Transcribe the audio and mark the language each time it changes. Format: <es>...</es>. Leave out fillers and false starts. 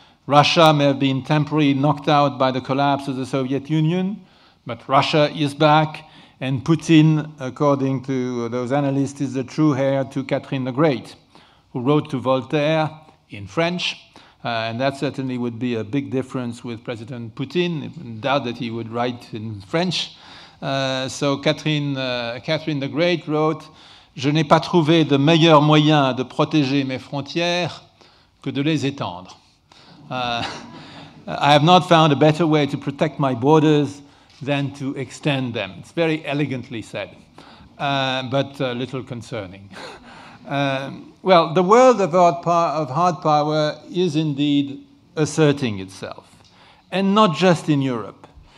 <en>Russia may have been temporarily knocked out by the collapse of the Soviet Union, but Russia is back, and Putin, according to those analysts, is the true heir to Catherine the Great, who wrote to Voltaire in French, and that certainly would be a big difference with President Putin, I doubt that he would write in French. So Catherine the Great wrote,</en> <fr>"Je n'ai pas trouvé de meilleur moyen de protéger mes frontières que de les étendre."</fr> <en>I have not found a better way to protect my borders than to extend them. It's very elegantly said, but a little concerning. Well, the world of hard power is indeed asserting itself, and not just in Europe.</en>